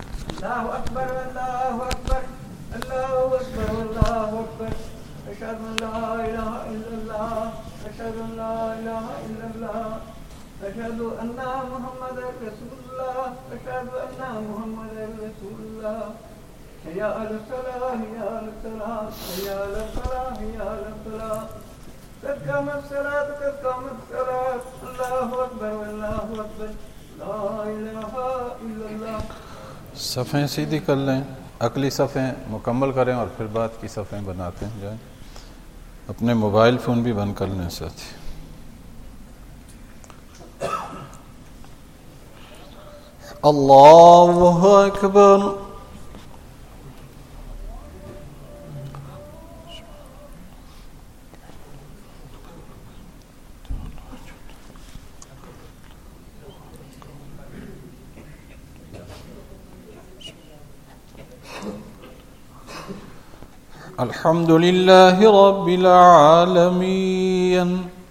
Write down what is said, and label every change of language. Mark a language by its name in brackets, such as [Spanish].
[Arabic] الله أكبر الله أكبر الله أكبر الله أكبر أشهد أن لا إله إلا الله أشهد أن لا إله إلا الله أشهد أن محمد رسول الله أشهد أن محمد رسول الله هيا على الصلاة هيا على الصلاة هيا على الصلاة هيا على الصلاة قد قامت الصلاة قد قامت الصلاة الله أكبر الله أكبر لا إله إلا الله [Urdu] صفیں سیدھی کر لیں, عقلی صفیں مکمل کریں اور پھر بعد کی صفیں بناتے ہیں جائیں. اپنے موبائل فون بھی بند کر لیں ساتھی. [Arabic] اللہ اکبر الحمد لله رب العالمين